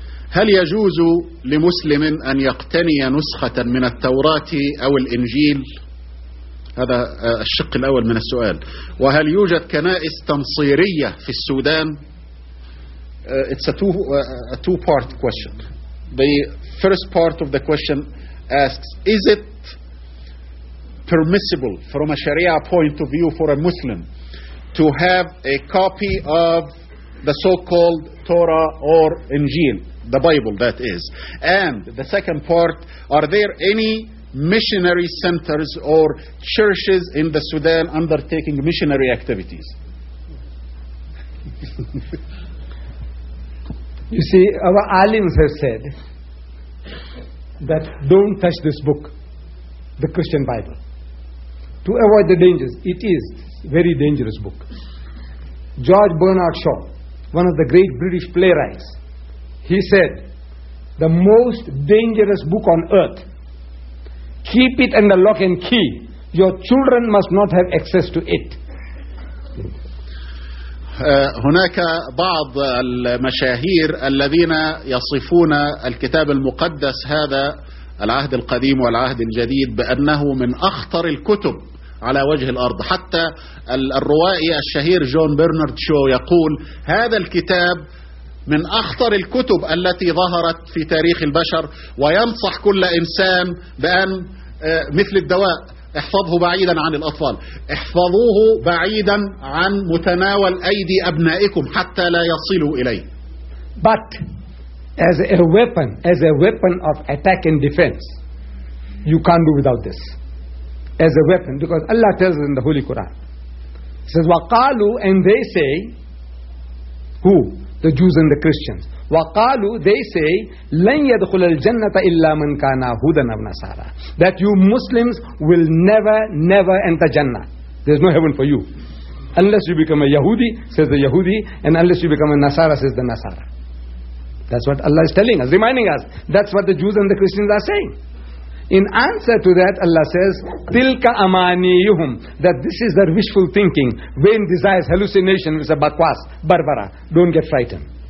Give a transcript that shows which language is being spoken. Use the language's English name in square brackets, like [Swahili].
[Arabic] هل يجوز لمسلم أن يقتني نسخة من التوراة أو الإنجيل؟ هذا الشق الأول من السؤال. وهل يوجد كنائس تنصيرية في السودان؟ [English] It's a two-part question. The first part of the question asks, is it permissible from a Sharia point of view for a Muslim to have a copy of the so-called Torah or Injil, the Bible that is. And the second part, are there any missionary centers or churches in the Sudan undertaking missionary activities? You see, our alims have said that don't touch this book, the Christian Bible, to avoid the dangers. It is a very dangerous book. George Bernard Shaw, one of the great British playwrights, he said, the most dangerous book on earth, keep it under lock and key. Your children must not have access to it. [Arabic] هناك بعض المشاهير الذين يصفون الكتاب المقدس هذا العهد القديم والعهد الجديد بأنه من أخطر الكتب على وجه الأرض. حتى الروائي الشهير جون برنارد شو يقول هذا الكتاب من أخطر الكتب التي ظهرت في تاريخ البشر، وينصح كل إنسان بأن مثل الدواء احفظه بعيدا عن الأطفال، احفظوه بعيدا عن متناول أيدي أبنائكم حتى لا يصلوا إليه. [English] But as a weapon of attack and defense, you can't do without this. As a weapon, because Allah tells us in the Holy Quran, he says, وَقَالُوا, and they say, who? The Jews and the Christians. وَقَالُوا, they say, [Arabic] لَنْ يَدْخُلَ الْجَنَّةَ إِلَّا مَنْ كَانَا هُدًا أَوْ نَصَارَى, [English] that you Muslims will never enter Jannah. There's no heaven for you. Unless you become a Yahudi, says the Yahudi, and unless you become a Nasara, says the Nasara. That's what Allah is telling us, reminding us. That's what the Jews and the Christians are saying. In answer to that, Allah says, [Arabic] "Tilka amaniyuhum," [English] that this is their wishful thinking, vain desires, hallucination, is a bakwas, barbara. Don't get frightened.